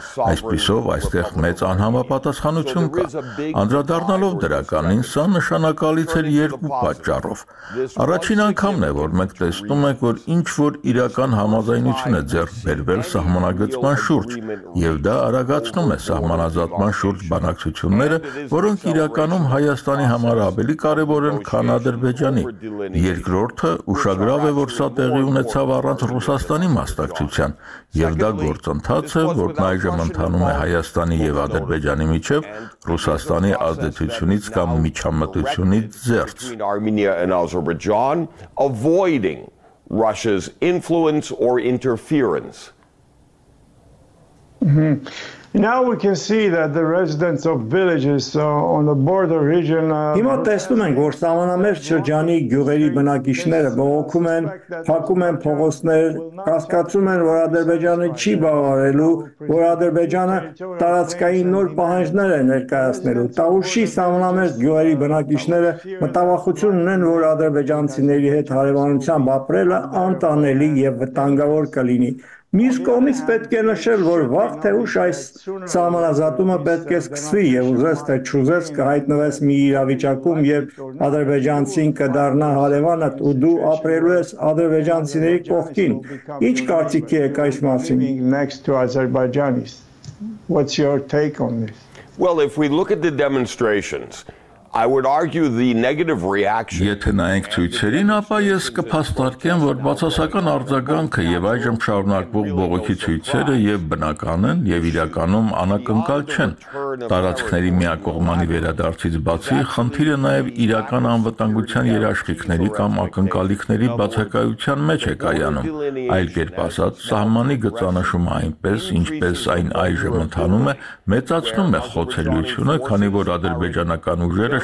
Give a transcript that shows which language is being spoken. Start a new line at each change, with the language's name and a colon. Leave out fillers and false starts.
Armenian: Այսպիսով, այստեղ մեծ անհամապատասխանություն կա։ Անդրադառնալով դրականին, սա նշանակում գալիցել երկու պատճառով։ Առաջին անգամն է, որ մենք տեսնում ենք, որ ինչ-որ իրական համաձայնություն է ձեռք բերվել սահմանագծման շուրջ, և դա արագացնում է սահմանազատման շուրջ բանակցությունները, որոնք իրականում Հայաստանի համար ավելի կարևոր են, քան Ադրբեջանի։ Երկրորդը, ուշագրավ է, որ սա տեղի ունեցավ առանց Ռուսաստանի մասնակցության, և դա գործընթաց է, որն այժմ ընթանում է Հայաստանի և Ադրբեջանի միջև Ռուսաստանի ազդեցությունից կամ միջամտությունից
English: between Armenia and Azerbaijan, avoiding Russia's influence or interference. Mm-hmm. Now we can see that the residents of villages on the border region
Armenian: Հիմա տեսնում ենք, որ սահմանամերձ շրջանի գյուղերի բնակիչները բողոքում են, փակում են փողոցներ, հասկացում են, որ Ադրբեջանը չի բավարարելու, որ Ադրբեջանը տարածքային նոր պահանջներ է ներկայացնելու։ Տաուշի սահմանամերձ գյուղերի բնակիչները մտավախություն ունեն, որ ադրբեջանցիների հետ հարևանությամբ ապրելը անտանելի և վտանգավոր կլինի։ Միս կողմից պետք է նշել, որ վաղ թե ուշ այս սահմանազատումը պետք է սկսվի, և ուզես թե չուզես կհայտնվես մի իրավիճակում, երբ ադրբեջանցին կդառնա հարևանդ ու դու ապրելու ես ադրբեջանցիների կողքին։ Ինչ կարծիքի եք այս մասին?
English: What's your take on this? Well, if we look at the demonstrations, I would argue the negative reaction.
Armenian: Եթե նայենք ցույցերին, ապա ես կփաստարկեմ, որ բացասական արձագանքը եւ այժմ շարունակվող բողոքի ցույցերը եւ բնական են եւ իրականում անակնկալ չեն։ Տարածքների միակողմանի վերադարձից բացի խնդիրը նաեւ իրական անվտանգության երաշխիքների կամ ակնկալիքների բացակայության մեջ է կայանում։ Այլ կերպ ասած, սահմանի գծանշումը այնպես, ինչպես այն այժմ ընթանում է, մեծացնում է խոցելիությունը, քանի որ ադրբեջանական ուժերը